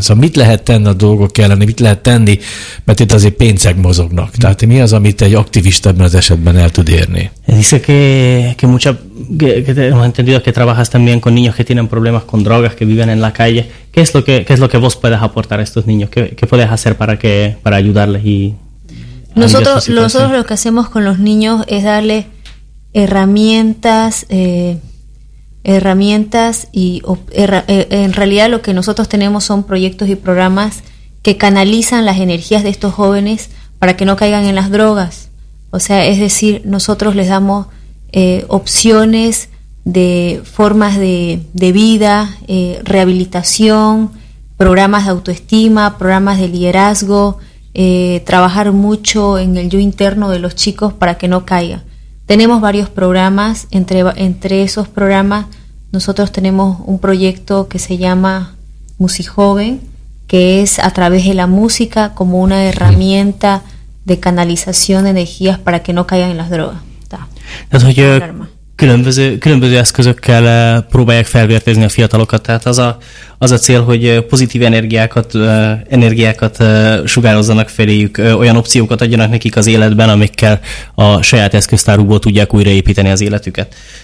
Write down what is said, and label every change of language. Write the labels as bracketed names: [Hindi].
[Hungarian] Szóval mit lehet tenni a dolgok ellen, mit lehet tenni, mert itt azért pénzek mozognak. Tehát mi az, amit egy aktivista ebben az esetben el tud érni? [Spanish] Dice que mucha que he entendido que trabajas también con niños que tienen problemas con drogas, que viven en la calle. ¿Qué es lo que vos puedes aportar a estos niños? ¿Qué puedes hacer para ayudarles y Nosotros lo que hacemos con los niños es darle herramientas y en realidad lo que nosotros tenemos son proyectos y programas que canalizan las energías de estos jóvenes para que no caigan en las drogas. O sea, es decir, nosotros les damos opciones de formas de vida, rehabilitación, programas de autoestima, programas de liderazgo, trabajar mucho en el yo interno de los chicos para que no caiga. Tenemos varios programas, entre esos programas nosotros tenemos un proyecto que se llama Musijoven, que es a través de la música como una herramienta de canalización de energías para que no caigan en las drogas. [Hungarian] Tehát, hogy különböző eszközökkel próbálják felvértezni a fiatalokat, tehát az a cél, hogy pozitív energiákat sugározzanak feléjük, olyan opciókat adjanak nekik az életben, amikkel a saját eszköztárukból tudják újraépíteni az életüket.